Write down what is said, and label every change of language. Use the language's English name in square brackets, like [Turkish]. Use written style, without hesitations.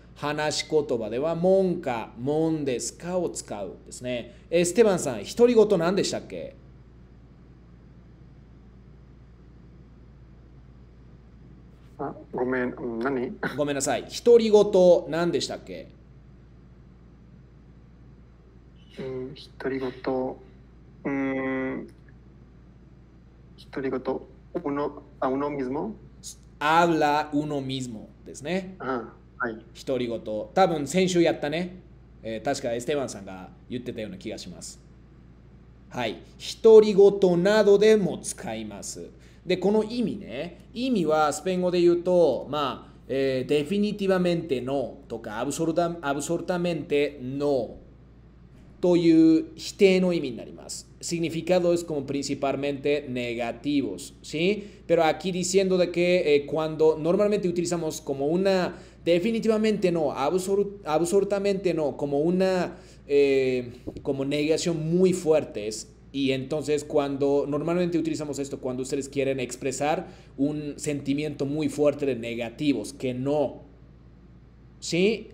[Japanese] 話し言葉では、もんか、もんですかを使うですね。ステバンさん、独り言何でしたっけ？あ、ごめん、何？ごめんなさい、独り言何でしたっけ？独り言。 [Spanish] 独り言、uno mismo? Habla uno mismo [Japanese] ですね。ああ、はい。独り言。多分先週やったね。確かエステバンさんが言ってたような気がします。はい。独り言などでも使います。で、この意味ね。意味はスペイン語で言うと、まあ、 [Spanish] definitivamente no [Japanese] とか [Spanish] absolutamente no [Japanese] という否定の意味になります。 [Spanish] Significado es como principalmente negativos, ¿sí? Pero aquí diciendo de que cuando normalmente utilizamos como una definitivamente no, absolutamente no, como una como negación muy fuerte. Y entonces cuando normalmente utilizamos esto cuando ustedes quieren expresar un sentimiento muy fuerte de negativos, que no. ¿Sí?